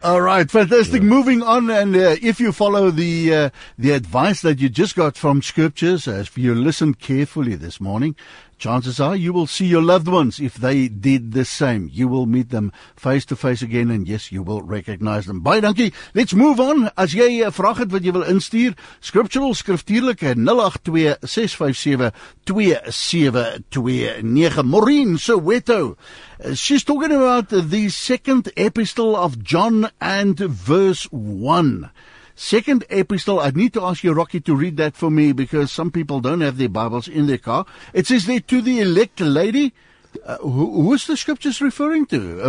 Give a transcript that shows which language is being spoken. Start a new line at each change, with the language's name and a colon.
English: All right. Fantastic. Yeah. Moving on. And if you follow the advice that you just got from scriptures, if you listen carefully this morning, chances are you will see your loved ones if they did the same. You will meet them face to face again, and yes, you will recognize them.
Afrikaans: Baie dankie.
English: Let's move on.
Afrikaans: As jy 'n vraag het wat jy wil instuur, scriptural, skriftuurlike, 0826572729.
English: Maureen Soweto. She's talking about the second epistle of John and verse 1. Second epistle, I need to ask you, Rocky, to read that for me, because some people don't have their Bibles in their car. It says there, to the elect lady. Who is the scriptures referring to?